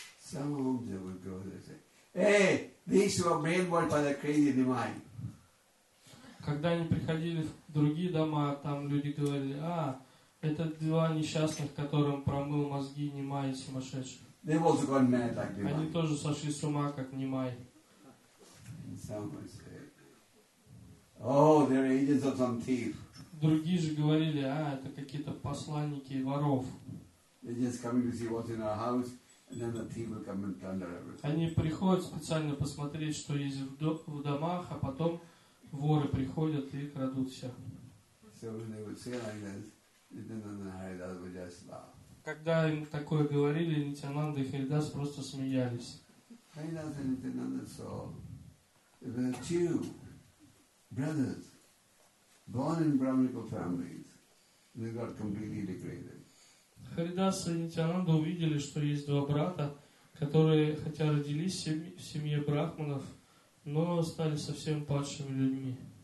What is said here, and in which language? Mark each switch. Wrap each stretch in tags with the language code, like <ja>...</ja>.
<en>Some homes they would go and say, hey, these were brainwashed by the crazy divine.</en> <ru>Когда они приходили в другие дома, там люди говорили, а, это два несчастных, которым промыл мозги Немай сумасшедший.</ru> <en>They've also gone mad like Немай.</en> <ru>Они тоже сошли с ума, как Немай.</ru> <en>Some would say, oh, they're agents of some thief.</en> <ru>Другие же говорили, а, это какие-то посланники воров.</ru> <en>They're just coming to see what's in our house, and then the thief will come and plunder everything.</en> <ru>Они приходят специально посмотреть, что есть в домах, а потом воры приходят и крадут все.</ru> <en>So when they would say like that, then the Харидас would just laugh.</en> <ru>Когда им такое говорили, Нитянанда и Харидас просто смеялись.</ru> <en>Харидас и Нитянанда saw the two brothers born in Brahmanical families, they got completely degraded.</en> <ru>Харидас и Нитянанда увидели, что есть два брата, которые, хотя родились в семье брахманов, но стали совсем падшими людьми.</ru>